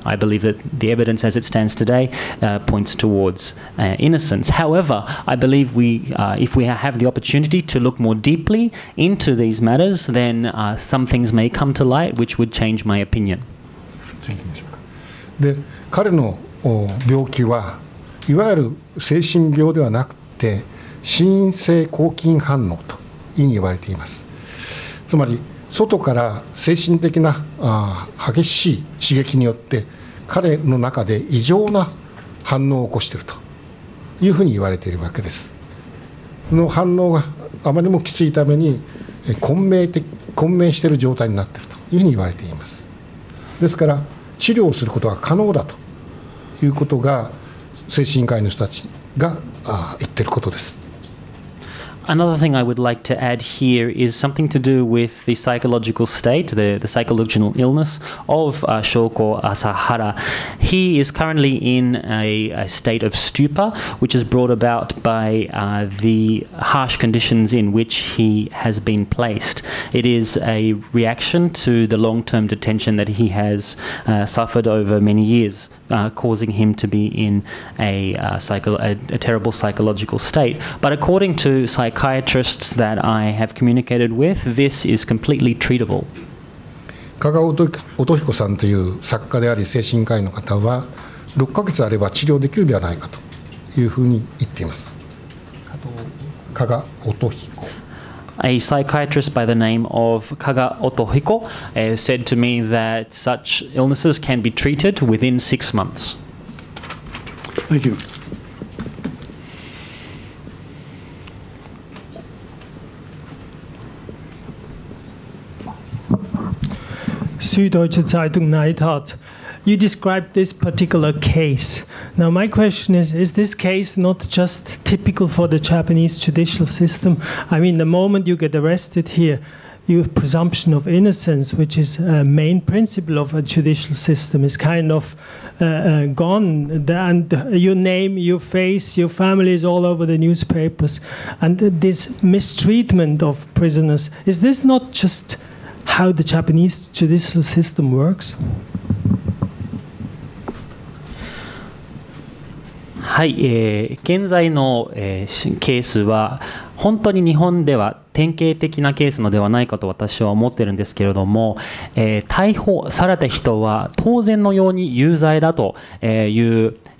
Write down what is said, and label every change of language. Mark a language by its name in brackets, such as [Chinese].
[English] I believe that the evidence as it stands today points towards innocence. However, I believe if we have the opportunity to look more deeply into these matters, then some things may come to light which would change my opinion. [Japanese] で、彼の病気はいわゆる精神病ではなくて心因性抗菌反応というふうに言われています。つまり外から精神的な激しい刺激によって彼の中で異常な反応を起こしていると。というふうに言われているわけです。の反応があまりもきついために混迷している状態になっているというふうに言われています。ですから治療することが可能だということが精神科医の人たちが言っていることです。 [English] Another thing I would like to add here is something to do with the psychological state, the psychological illness of Shoko Asahara. He is currently in a state of stupor, which is brought about by the harsh conditions in which he has been placed. It is a reaction to the long-term detention that he has suffered over many years, causing him to be in a terrible psychological state. But according to psychiatrists that I have communicated with, this is completely treatable. [Japanese] 加賀乙彦さんという作家であり精神科医の方は6ヶ月あれば治療できるではないかというふうに言っています。加賀乙彦。 [English] A psychiatrist by the name of Kaga Otohiko said to me that such illnesses can be treated within 6 months. Thank you. Süddeutsche Zeitung Neidhardt. You described this particular case. Now my question is this case not just typical for the Japanese judicial system? I mean, the moment you get arrested here, you have presumption of innocence, which is a main principle of a judicial system, is kind of gone. And your name, your face, your family is all over the newspapers. And this mistreatment of prisoners, is this not just how the Japanese judicial system works? [Japanese] はい、現在の、ケースは本当に日本では典型的なケースのではないかと私は思っているんですけれども、逮捕された人は当然のように有罪だという、